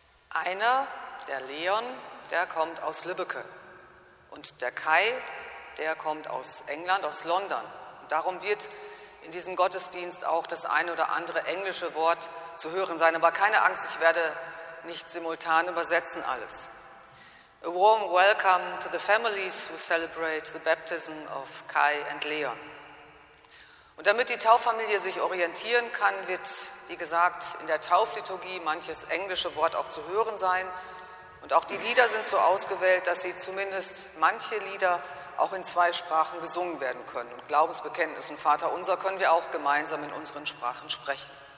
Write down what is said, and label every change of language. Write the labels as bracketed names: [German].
[German] Einer, der Leon, der kommt aus Lübbecke und der Kai, der kommt aus England, aus London. Und darum wird in diesem Gottesdienst auch das eine oder andere englische Wort zu hören sein, aber keine Angst, ich werde nicht simultan übersetzen alles. [English] A warm welcome to the families who celebrate the baptism of Kai and Leon. [German] Und damit die Tauffamilie sich orientieren kann, wird, wie gesagt, in der Taufliturgie manches englische Wort auch zu hören sein. Und auch die Lieder sind so ausgewählt, dass sie zumindest manche Lieder auch in zwei Sprachen gesungen werden können. Und Glaubensbekenntnis und Vater Unser können wir auch gemeinsam in unseren Sprachen sprechen.